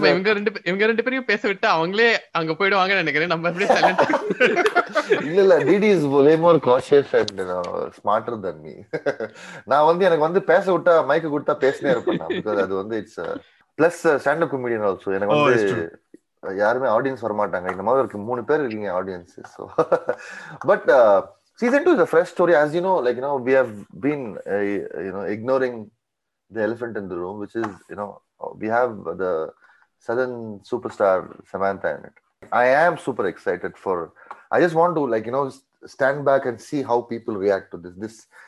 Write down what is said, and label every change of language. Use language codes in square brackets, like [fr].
[ta] Actually, நம்ம இவங்க ரெண்டு பேரும் பேச விட்டு அவங்களே அங்க போய்டுவாங்க நினைக்கிறேன். நம்ம அப்படியே சைலண்ட். [en] இல்ல DD is way more cautious and you know, smarter than me. [ta] நான் வந்து எனக்கு வந்து பேச விட்டா மைக்க கொடுத்தா பேசவே இருப்பேன் நான். Because அது வந்து [en] it's a plus stand up comedian also. [ta] எனக்கு வந்து யாருமே ஆடியன்ஸ் வர மாட்டாங்க. இந்த மாதிரி இருக்கு மூணு பேர் இருக்கீங்க audience. [en] So but season 2 is a fresh story, as you know, like you know, we have been ignoring the elephant in the room, which is we have the southern superstar Samantha in it. I am super excited for, I just want to stand back and see how people react to this.